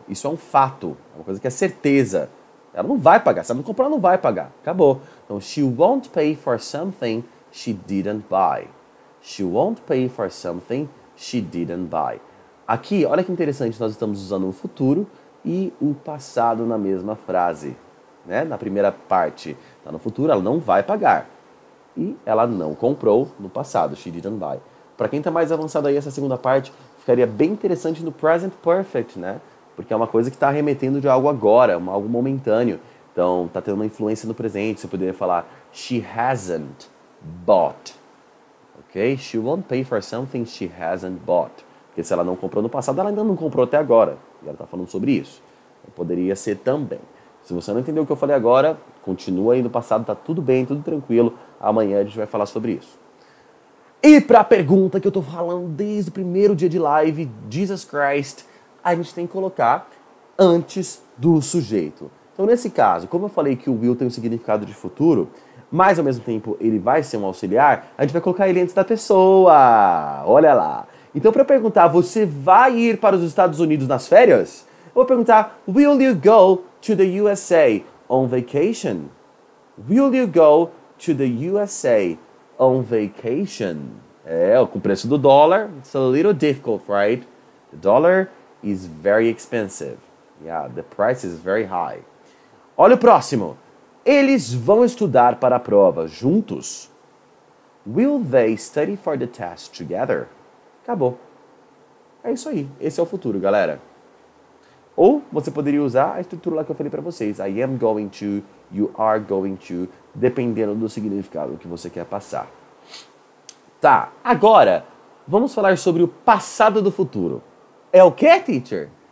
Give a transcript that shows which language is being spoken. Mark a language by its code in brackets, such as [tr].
[pt] Isso é um fato, é uma coisa que é certeza. Ela não vai pagar. Se ela não comprar, ela não vai pagar. Acabou. [en] Então, she won't pay for something she didn't buy. She won't pay for something she didn't buy. [pt] Aqui, olha que interessante, nós estamos usando o futuro e o passado na mesma frase, né? Na primeira parte, está no futuro, ela não vai pagar. E ela não comprou no passado, [en] she didn't buy. [pt] Para quem está mais avançado aí, essa segunda parte ficaria bem interessante no present perfect, né? Porque é uma coisa que está arremetendo de algo agora, algo momentâneo. Então, está tendo uma influência no presente. Você poderia falar, [en] she hasn't bought. Okay? She won't pay for something she hasn't bought. [pt] Porque se ela não comprou no passado, ela ainda não comprou até agora. E ela está falando sobre isso. Poderia ser também. Se você não entendeu o que eu falei agora, continua aí no passado, tá tudo bem, tudo tranquilo. Amanhã a gente vai falar sobre isso. E para a pergunta que eu estou falando desde o primeiro dia de live, Jesus Christ, a gente tem que colocar antes do sujeito. Então, nesse caso, como eu falei que o will tem um significado de futuro, mas ao mesmo tempo ele vai ser um auxiliar, a gente vai colocar ele antes da pessoa. Olha lá. Então, para eu perguntar, você vai ir para os Estados Unidos nas férias? Eu vou perguntar, [en] will you go to the USA on vacation? Will you go to the USA on vacation? [pt] É, com o preço do dólar, [en] it's a little difficult, right? The dollar is very expensive. Yeah, the price is very high. [pt] Olha o próximo. Eles vão estudar para a prova juntos? [en] Will they study for the test together? [pt] Acabou. É isso aí. Esse é o futuro, galera. Ou você poderia usar a estrutura lá que eu falei para vocês. [en] I am going to, [pt] you are going to, dependendo do significado que você quer passar. Tá, agora vamos falar sobre o passado do futuro. É o quê, teacher?